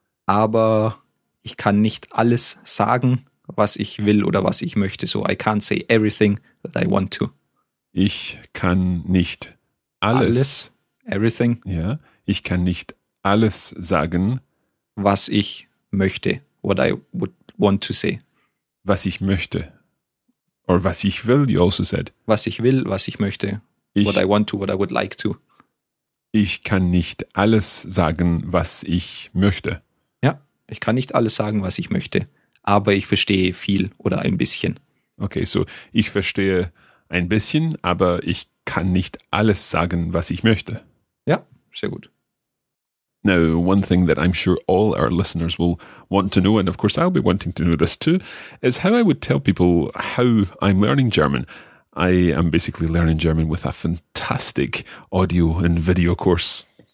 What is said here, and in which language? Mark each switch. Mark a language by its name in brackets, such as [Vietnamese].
[German] Aber ich kann nicht alles sagen, was ich will oder was ich möchte. [English] So I can't say everything that I want to. [German] Ich kann nicht alles. [English] Everything. [German] Ja. Ich kann nicht alles sagen. Was ich möchte. [English] What I would want to say. [German] Was ich möchte. [English] Or [German] was ich will, [English] you also said. [German] Was ich will, was ich möchte. [English] What I want to, what I would like to. [German] Ich kann nicht alles sagen, was ich möchte. Ja, ich kann nicht alles sagen, was ich möchte. Aber ich verstehe viel oder ein bisschen. Okay, so ich verstehe ein bisschen, aber ich kann nicht alles sagen, was ich möchte. Ja, sehr gut. [English] Now, one thing that I'm sure all our listeners will want to know, and of course I'll be wanting to know this too, is how I would tell people how I'm learning German. I am basically learning German with a fantastic audio and video course